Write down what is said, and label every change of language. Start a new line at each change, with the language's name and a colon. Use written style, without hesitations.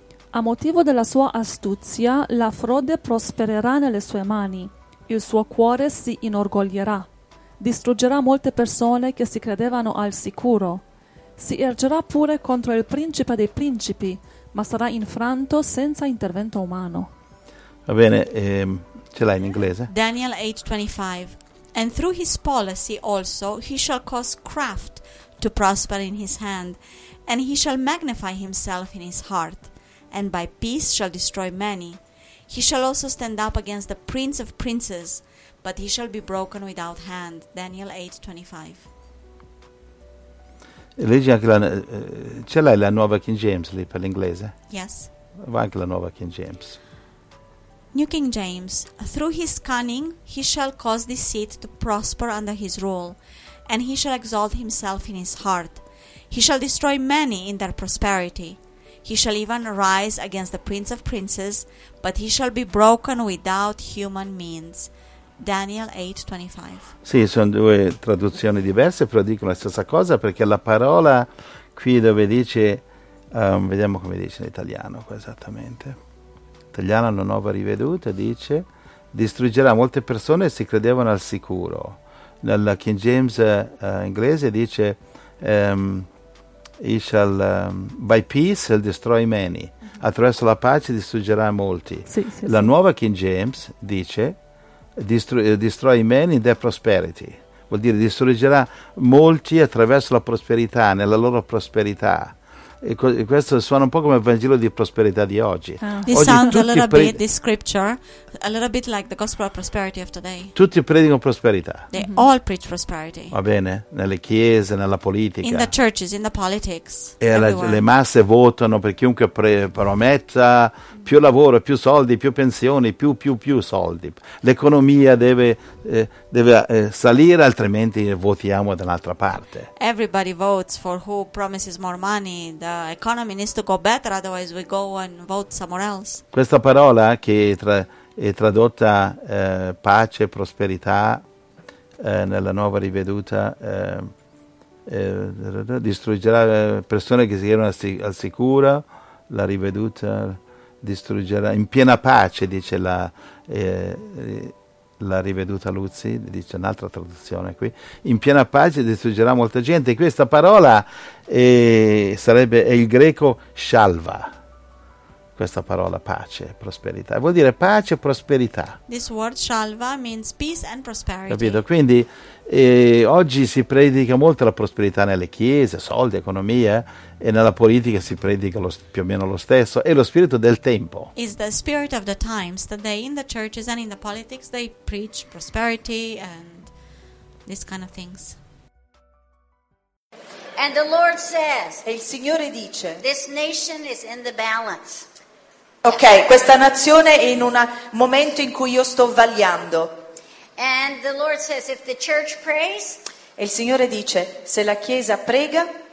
Italian: A motivo della sua astuzia, la frode prospererà nelle sue mani. Il suo cuore si inorgoglierà. Distruggerà molte persone che si credevano al sicuro. Si ergerà pure contro il principe dei principi, ma sarà infranto senza intervento umano. Va bene, ce l'hai in inglese?
English: Daniel 8:25. And through his policy also he shall cause craft to prosper in his hand, and he shall magnify himself in his heart, and by peace shall destroy many. He shall also stand up against the prince of princes, but he shall be broken without hand. Daniel 8:25.
Italian: Leggi anche la, ce l'hai la Nuova King James lì per l'inglese?
English: Yes.
Italian: Va anche la Nuova King James.
English: New King James. Through his cunning he shall cause deceit to prosper under his rule, and he shall exalt himself in his heart. He shall destroy many in their prosperity. He shall even rise against the prince of princes, but he shall be broken without human means. Daniel 8:25.
Italian: Sì, sono due traduzioni diverse, però dicono la stessa cosa, perché la parola qui dove dice, vediamo come dice in italiano qua esattamente. Italiano hanno nuova riveduta, dice, distruggerà molte persone che si credevano al sicuro. Nel King James inglese dice,
English: he shall, by peace he'll destroy many.
Italian: Attraverso la pace distruggerà molti. Sì, sì, la sì. Nuova King James dice,
English: destroy many in their prosperity.
Italian: Vuol dire distruggerà molti attraverso la prosperità, nella loro prosperità. E questo suona un po' come il Vangelo di prosperità di oggi.
English: This sounds a little bit, this scripture, a little bit like the gospel of prosperity of today.
Italian: Tutti predicano prosperità.
English: They all preach prosperity.
Italian: Va bene, nelle chiese, nella politica.
English: In the churches, in the politics.
Italian: E le masse votano per chiunque prometta più lavoro, più soldi, più pensioni, più soldi. L'economia deve salire, altrimenti votiamo da un'altra parte.
English: Everybody votes for who promises more money, the the economy needs to go better, otherwise we go and vote somewhere else.
Italian: Questa parola che è tradotta pace, prosperità, nella nuova riveduta, distruggerà persone che si erano al sicuro, la riveduta distruggerà, in piena pace, dice la riveduta Luzzi, dice un'altra traduzione qui, in piena pace distruggerà molta gente. Questa parola è il greco shalva, questa parola pace, prosperità, vuol dire pace e prosperità.
English: This word shalva means peace and prosperity.
Italian: Capito? Quindi oggi si predica molto la prosperità nelle chiese, soldi, economia, e nella politica si predica più o meno lo stesso, è lo spirito del tempo.
English: It's the spirit of the times, that they in the churches and in the politics they preach prosperity and these kind of things. And the Lord says,
Italian: e il Signore dice,
English: this nation is in the balance.
Italian: Ok, questa nazione è in un momento in cui io sto vagliando.
English: And the Lord says, if the church prays,
Italian: e il Signore dice, se la Chiesa prega,